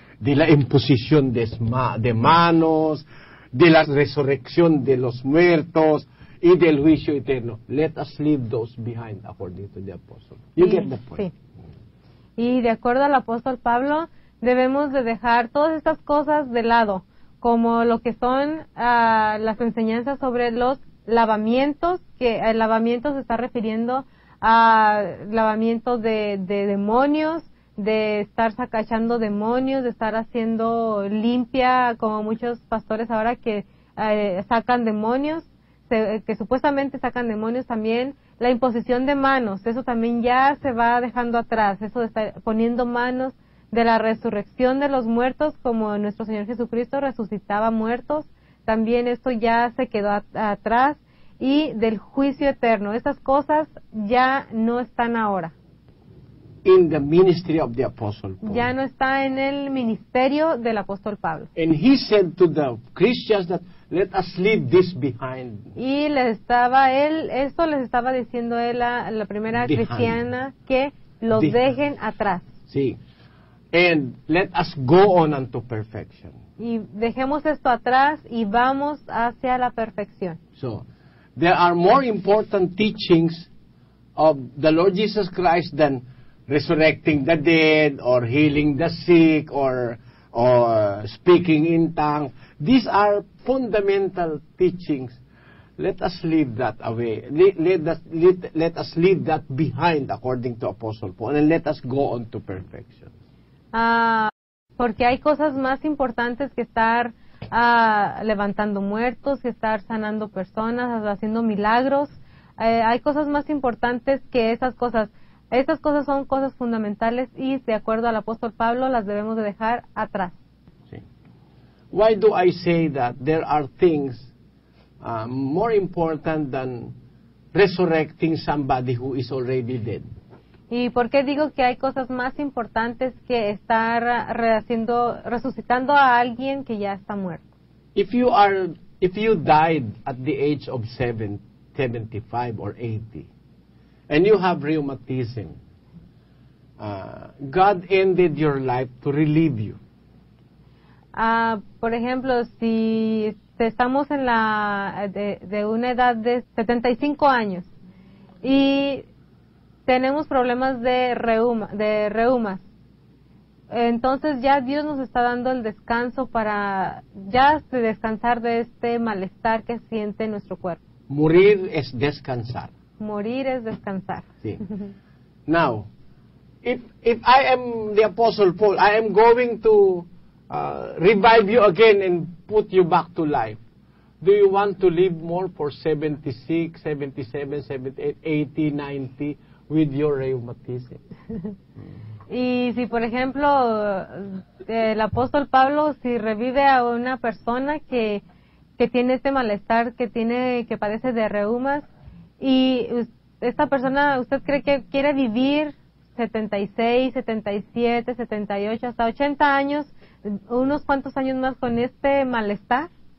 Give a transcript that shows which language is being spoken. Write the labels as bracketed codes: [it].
[es] De la imposición de manos, de la resurrección de los muertos y del juicio eterno. [en] Let us leave those behind, according to the apostle. You get the point. [es] Sí. Y de acuerdo al apóstol Pablo, debemos de dejar todas estas cosas de lado, como lo que son las enseñanzas sobre los lavamientos, que el lavamiento se está refiriendo a lavamiento de demonios, de estar sacachando demonios, de estar haciendo limpia, como muchos pastores ahora que sacan demonios, que supuestamente sacan demonios también, la imposición de manos, eso también ya se va dejando atrás, eso de estar poniendo manos de la resurrección de los muertos, como nuestro Señor Jesucristo resucitaba muertos, también esto ya se quedó atrás, y del juicio eterno, estas cosas ya no están ahora. [en] In the ministry of the apostle Paul. [es] Ya no está en el ministerio del apóstol Pablo. [en] And he said to the Christians that let us leave this behind. [es] Y les estaba él esto les estaba diciendo él a la primera behind. Cristiana que los behind. Dejen atrás. [en] Sí. And let us go on unto perfection. [es] Y dejemos esto atrás y vamos hacia la perfección. [en] So there are more important teachings of the Lord Jesus Christ than resurrecting the dead, or healing the sick, or speaking in tongues. These are fundamental teachings. Let us leave that away. Let us leave that behind, according to Apostle Paul, and let us go on to perfection. [es] Porque hay cosas más importantes que estar levantando muertos, que estar sanando personas, haciendo milagros. Hay cosas más importantes que esas cosas. Estas cosas son cosas fundamentales y, de acuerdo al apóstol Pablo, las debemos de dejar atrás. Sí. [en] Why do I say that there are things more important than resurrecting somebody who is already dead? [es] ¿Y por qué digo que hay cosas más importantes que estar haciendo, resucitando a alguien que ya está muerto? [en] If you died at the age of 75 or 80, and you have rheumatism, God ended your life to relieve you. [es] Por ejemplo, si estamos en la de una edad de 75 años y tenemos problemas de reumas, entonces ya Dios nos está dando el descanso para ya descansar de este malestar que siente nuestro cuerpo. Morir es descansar. Morir es descansar. Sí. [en] Now, if I am the Apostle Paul, I am going to revive you again and put you back to life. Do you want to live more for 76, 77, 78, 80, 90 with your rheumatism? [es] Y si, por ejemplo, el apóstol Pablo, si revive a una persona que tiene este malestar, que padece de reumas, y esta persona, ¿usted cree que quiere vivir 76, 77, 78, hasta 80 años, unos cuantos años más con este malestar?